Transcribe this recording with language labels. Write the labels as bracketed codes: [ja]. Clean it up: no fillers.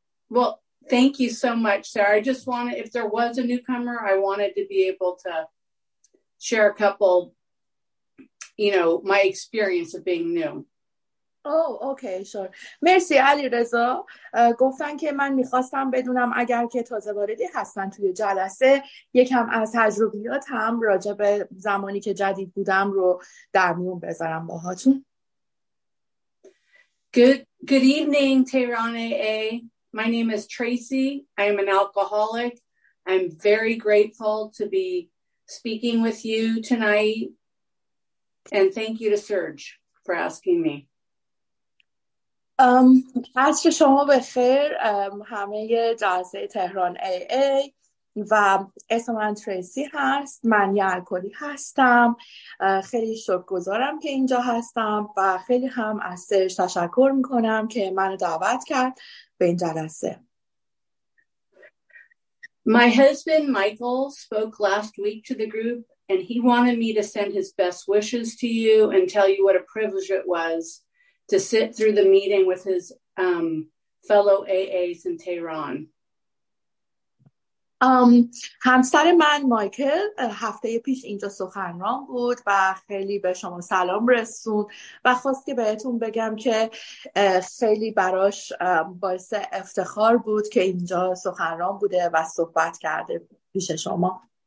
[en] Well, thank you so much, Sarah. I just wanted, if there was a newcomer, I wanted to be able to share a couple, you know, my experience of being new. Oh, okay, sure. [fa] مرسی [en] علی رضا. [fa] گفتن که من میخواستم بدونم اگر که تازه واردی هستن توی جلسه، یکم از تجربیاتم راجع به زمانی که جدید بودم رو در میون بذارم باهاتون. [en] Good evening, Tehran AA. My name is Tracy. I am an alcoholic. I'm very grateful to be speaking with you tonight. And thank you to Serge for asking me. [fa] عصر شما بخیر، همه جلسه تهران AA، و اسم من تریسی هست، من یه الکلی هستم. خیلی شکرگزارم که اینجا هستم و خیلی هم از سرش تشکر میکنم که من دعوت کرد به این جلسه. [en] My husband Michael spoke last week to the group and he wanted me to send his best wishes to you and tell you what a privilege it was to sit through the meeting with his fellow AAs in Tehran. [fa] همسر من مایکل هفته پیش اینجا سخنران بود و خیلی به شما سلام رسون و خواست که بهتون بگم که خیلی براش باعث افتخار بود که اینجا سخنران بوده و صحبت کرده پیش شما.